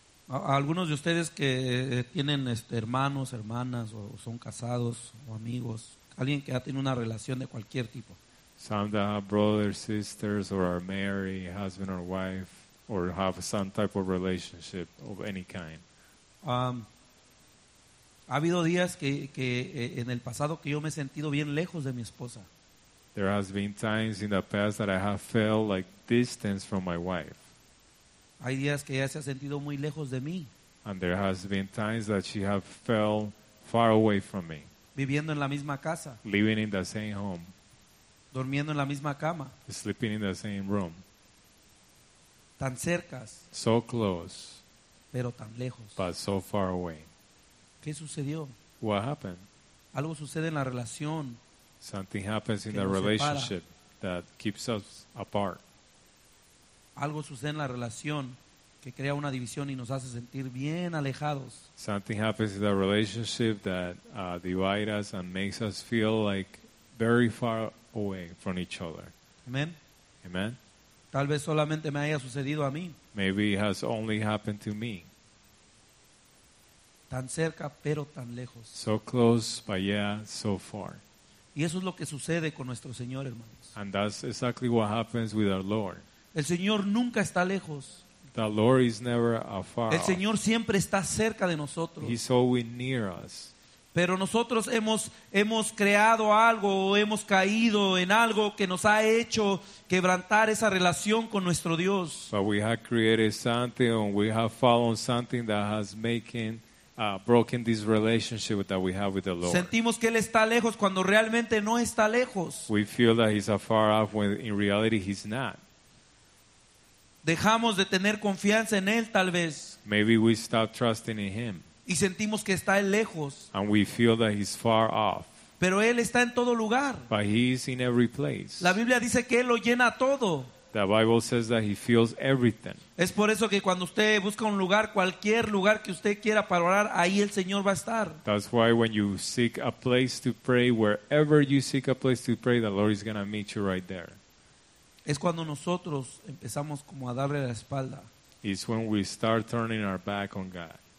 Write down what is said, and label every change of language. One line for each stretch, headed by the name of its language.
Spanish: A algunos de ustedes que tienen hermanos, hermanas, o son casados, o amigos, alguien que ha tenido una relación de cualquier tipo.
English: Some that have brothers, sisters, or are married, husband or wife, or have some type of relationship of any kind.
Spanish: Ha habido días que en el pasado que yo me he sentido bien lejos de mi esposa.
English: There has been times in the past that I have felt like distance from my wife.
Spanish: Hay días que ella se ha sentido muy lejos de mí.
English: And there has been times that she has felt far away from me.
Spanish: Viviendo en la misma casa.
English: Living in the same home.
Spanish: Durmiendo en la misma cama.
English: Sleeping in the same room.
Spanish: Tan cercas.
English: So close.
Spanish: Pero tan lejos.
English: But so far away.
Spanish: ¿Qué sucedió?
English: What happened?
Spanish: Algo sucede en la relación.
English: Something happens in the relationship that keeps us apart.
Spanish: Algo sucede en la relación que crea una división y nos hace sentir bien alejados.
English: Something happens in the relationship that divides us and makes us feel like very far away from each other.
Spanish: Amen.
English: Amen.
Spanish: Tal vez solamente me haya sucedido a mí.
English: Maybe it has only happened to me.
Spanish: Tan cerca, pero tan lejos.
English: So close, but yeah, so far.
Spanish: Y eso es lo que sucede con nuestro Señor, hermanos.
English: And that's exactly what happens with our Lord.
Spanish: El Señor nunca está lejos.
English: The Lord is never afar.
Spanish: El Señor siempre está cerca de nosotros.
English: He's always near us.
Spanish: Pero nosotros hemos creado algo o hemos caído en algo que nos ha hecho quebrantar esa relación con nuestro Dios.
English: But we have created something or we have fallen something that has making broken this relationship that we have with the Lord.
Spanish: Sentimos que él está lejos cuando realmente no está lejos.
English: We feel that he's afar off when in reality he's not.
Spanish: Dejamos de tener confianza en él tal vez.
English: Maybe we stop trusting in him.
Spanish: Y sentimos que está lejos.
English: And we feel that he's far off.
Spanish: Pero él está en todo lugar.
English: But he is in every place.
Spanish: La Biblia dice que él lo llena todo.
English: The Bible says that he fills everything.
Spanish: Es por eso que cuando usted busca un lugar, cualquier lugar que usted quiera para orar, ahí el Señor va a estar.
English: That's why when you seek a place to pray, wherever you seek a place to pray, the Lord is going to meet you right there.
Spanish: Es cuando nosotros empezamos como a darle la espalda.
English: It's when we start turning our back on God.